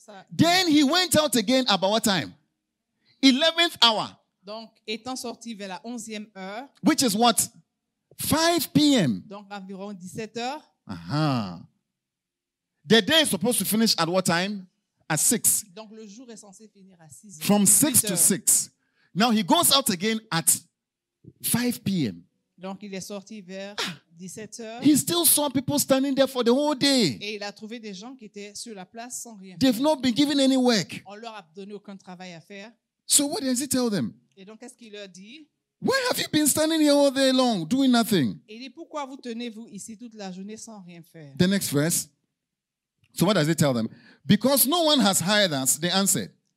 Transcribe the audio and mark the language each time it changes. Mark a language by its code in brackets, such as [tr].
[en] Then he went out again about what time? 11th hour. [fr] Donc, étant sorti vers la 11e heure, [en] which is what? 5 p.m. [fr] Donc, environ 17 heures. [en] Uh-huh. The day is supposed to finish at what time? At 6. [fr] Donc, le jour est censé finir à 6 heures. [en] From 6 to 6. Now, he goes out again at 5 p.m. [fr] Donc, il est sorti vers 17 heures. [en] He still saw people standing there for the whole day. [fr] Et il a trouvé des gens qui étaient sur la place sans rien. [en] They've not been given any work. [fr] On leur a donné aucun travail à faire. [en] So what does he tell them? [fr] Et donc, qu'est-ce qu'il leur dit? [en] Where have you been standing here all day long, doing nothing? [fr] Et il dit, pourquoi vous tenez-vous ici toute la journée sans rien faire? [en] The next verse. So what does he tell them? Because no one has hired us, they answered.